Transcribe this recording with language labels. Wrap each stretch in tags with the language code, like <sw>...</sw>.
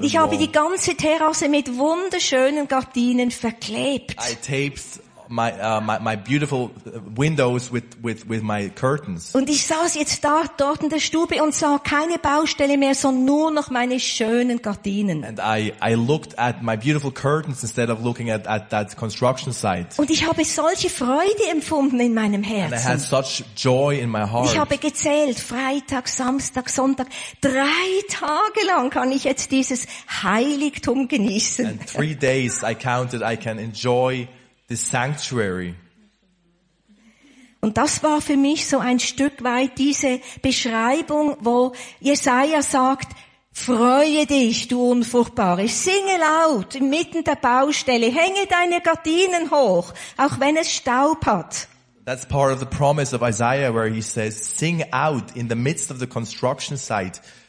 <de>Ich habe die ganze Terrasse mit wunderschönen Gardinen verklebt.</de> <en>I taped my beautiful windows with my curtains.</en> <de>Und ich saß jetzt da dort in der Stube und sah keine Baustelle mehr, sondern nur noch meine schönen Gardinen.</de> <en>And I looked at my beautiful curtains instead of looking at that construction site.</en> <de>Und ich habe solche Freude empfunden in meinem Herzen.</de> <en>And I had such joy in my heart.</en> <de>Ich habe gezählt, Freitag, Samstag, Sonntag, 3 Tage lang kann ich jetzt dieses Heiligtum genießen.</de> <en>And 3 days I counted I can enjoy the sanctuary.</en> <de>Und das war für mich so ein Stück weit diese Beschreibung, wo Jesaja sagt, freue dich, du Unfruchtbare, singe laut, inmitten der Baustelle, hänge deine Gardinen hoch, auch wenn es Staub hat.</de> <en>That's part of the promise of Isaiah, where he says, sing out in the midst of the construction site.</en>